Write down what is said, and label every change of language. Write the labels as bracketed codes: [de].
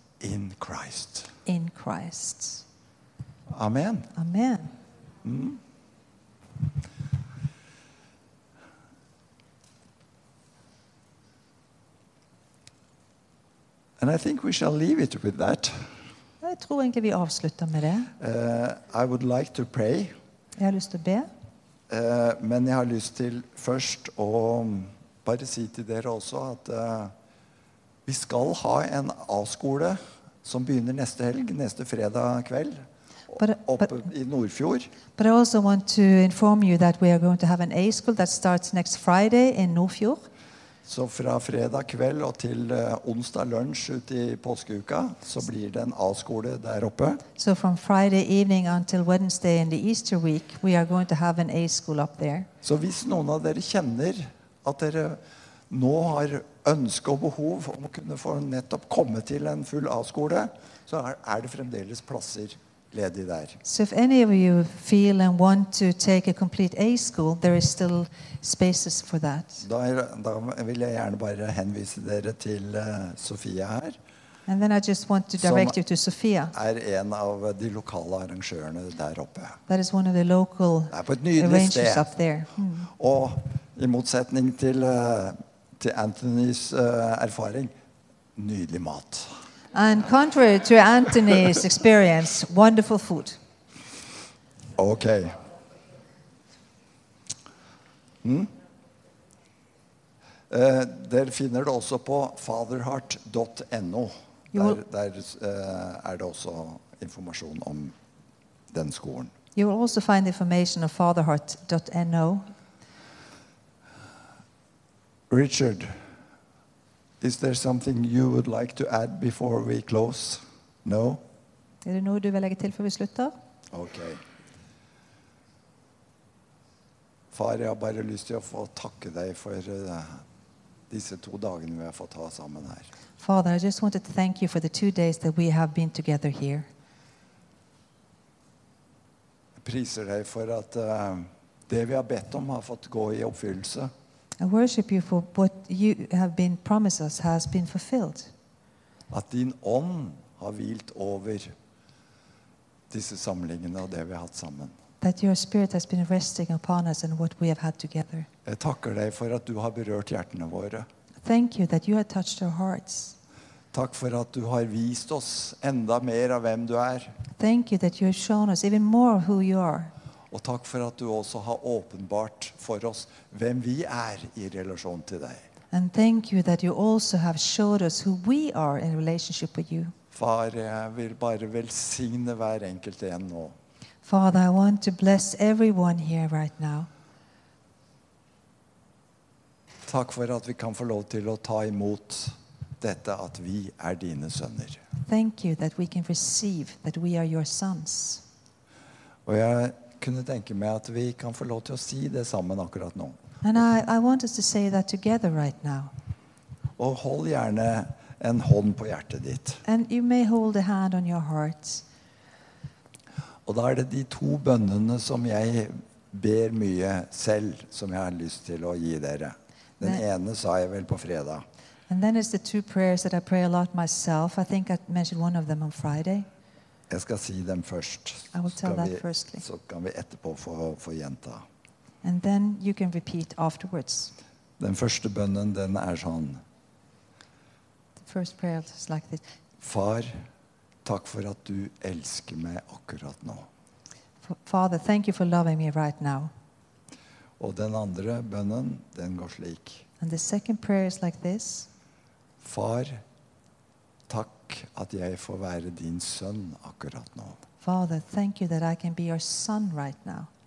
[en] In Christ. In Christ. Amen. Amen. Mm. And I think we shall leave it with that. [no] Jeg tror egentlig vi avslutter med det. [en] I would like to pray. [no] Jeg har lyst til å be. Men jeg har lyst til først å bare si til dere også at vi skal ha en A-skole som begynner neste helg, neste fredag kveld, oppe I Nordfjord. [en] But I also want to inform you that we are going to have an A-school that starts next Friday in Nordfjord. [no] Så fra fredag kveld og til onsdag lunsj ut I påskeuka, så blir det en A-skole der oppe. [en] So from Friday evening until Wednesday in the Easter week, we are going to have an A-school up there. [no] Så hvis noen av dere kjenner at dere nå har ønske og behov om å kunne få nettopp komme til en full A-skole, så det fremdeles plasser ledig der. [en] So if any of you feel and want to take a complete A-school, there is still spaces for that. [no] Da vil jeg gjerne bare henvise dere til Sofia her. [en] And then I just want to direct you to Sofia. [no] En av de lokale arrangørene der oppe. [en] That is one of the local arrangers up there. [no] Og i motsetning til til Anthony's erfaring, nydelig mat. [en] And contrary to Anthony's experience, wonderful food. Okay. [no] Dere finner det også på fatherheart.no. Der det også informasjon om den skolen. [en] You will also find information on fatherheart.no. Richard, is there something you would like to add before we close? No? [no] Er det noe du vil legge til før vi slutter? [en] Okay. [no] Far, jeg har bare lyst til å få takke deg for disse to dagene vi har fått ha sammen her. [en] Father, I just wanted to thank you for the 2 days that we have been together here. [no] Jeg priser deg for at det vi har bedt om har fått gå i oppfyllelse. [en] I worship you for what you have been promised us has been fulfilled. [no] At din ånd har hvilt over disse samlingene og det vi har hatt sammen. [en] That your spirit has been resting upon us and what we have had together. [no] Jeg takker deg for at du har berørt hjertene våre. [en] Thank you that you have touched our hearts. [no] Takk for at du har vist oss enda mer av hvem du er. [en] Thank you that you have shown us even more of who you are. [no] Og takk for at du også har åpenbart for oss hvem vi er i relasjon til deg. [en] And thank you that you also have showed us who we are in relationship with you. [no] Far, jeg vil bare velsigne hver enkelt en nå. [en] Father, I want to bless everyone here right now. [no] Takk for at vi kan få lov til å ta imot dette at vi dine sønner. [en] Thank you that we can receive that we are your sons. [no] Og jeg kunne tenke meg at vi kan få lov til å si det sammen akkurat nå. [en] And I want us to say that together right now. [no] Og hold gjerne en hånd på hjertet ditt. [en] And you may hold a hand on your heart. [no] Og da det de to bønnene som jeg ber mye selv, som jeg har lyst til å gi dere. Den ene sa jeg vel på fredag. [en] And then it's the two prayers that I pray a lot myself. I think I mentioned one of them on Friday. [no] Jeg skal si dem først. [en] I will tell that firstly. [no] Så kan vi etterpå få gjenta. [en] And then you can repeat afterwards. [no] Den første bønnen, den sånn. [en] The first prayer is like this. [no] Far, takk for at du elsker meg akkurat nå. [en] Father, thank you for loving me right now. [no] Og den andre bønnen, den går slik. [en] And the second prayer is like this. [no] Far, takk at jeg får være din sønn akkurat nå. [en] Father, thank you that I can be your son right now.